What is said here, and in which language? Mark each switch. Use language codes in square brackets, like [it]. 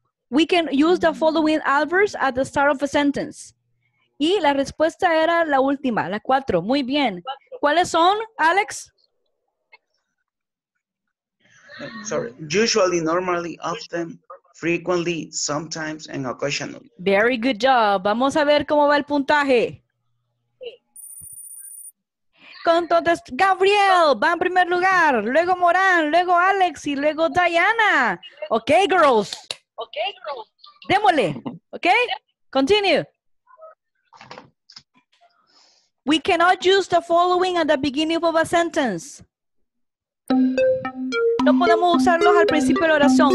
[en] We can use the following adverbs at the start of a sentence. [es] Y la respuesta era la última, la cuatro. Muy bien. ¿Cuáles son, Alex? [en] Sorry. Usually, normally, often, frequently, sometimes, and occasionally. Very good job. [es] Vamos a ver cómo va el puntaje. Entonces, Gabriel va en primer lugar, luego Morán, luego Alex y luego Diana. [en] Okay, girls. Okay, girls. [es] Démosle. [en] Okay? Continue. We cannot use the following at the beginning of a sentence. [es] No podemos usarlos al principio de la oración.